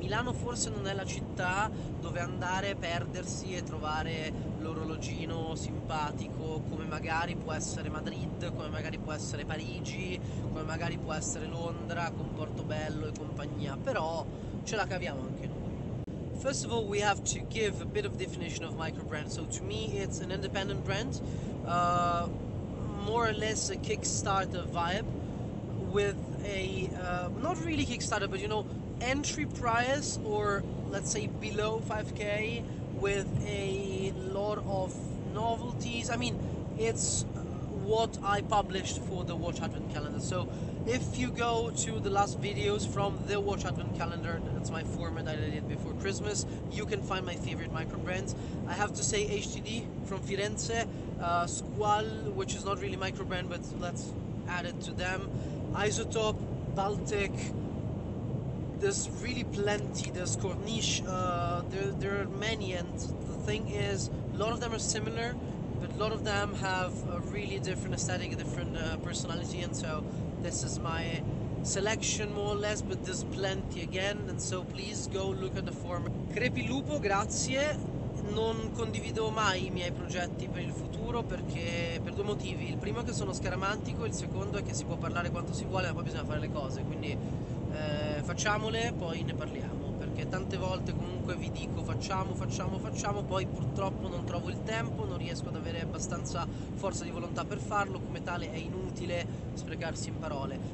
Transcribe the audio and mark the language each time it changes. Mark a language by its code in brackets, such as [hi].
[it] Milano forse non è la città dove andare, perdersi e trovare l'orologino simpatico, come magari può essere Madrid, come magari può essere Parigi, come magari può essere Londra con Portobello e compagnia, però ce la caviamo anche noi. [en] First of all, we have to give a bit of definition of micro brand. So to me it's an independent brand, more or less a Kickstarter vibe with a not really Kickstarter, but you know, entry price or let's say below 5k with a lot of novelties. I mean, it's what I published for the Watch Advent Calendar. So if you go to the last videos from the Watch Advent Calendar, that's my format that I did before Christmas, you can find my favorite micro brands. I have to say HTD from Firenze, Squall, which is not really micro brand, but let's add it to them, Isotope, Baltic, there's really plenty, there's Corniche, there are many, and the thing is, a lot of them are similar, but a lot of them have a really different aesthetic, a different personality, and so this is my selection more or less, but there's plenty again, and so please go look at the former. [it] Crepi Lupo, grazie, non condivido mai i miei progetti per il futuro perché per 2 motivi, il primo è che sono scaramantico, il secondo è che si può parlare quanto si vuole ma poi bisogna fare le cose, quindi facciamole, poi ne parliamo, perché tante volte comunque vi dico facciamo, poi purtroppo non trovo il tempo, non riesco ad avere abbastanza forza di volontà per farlo, come tale è inutile sprecarsi in parole.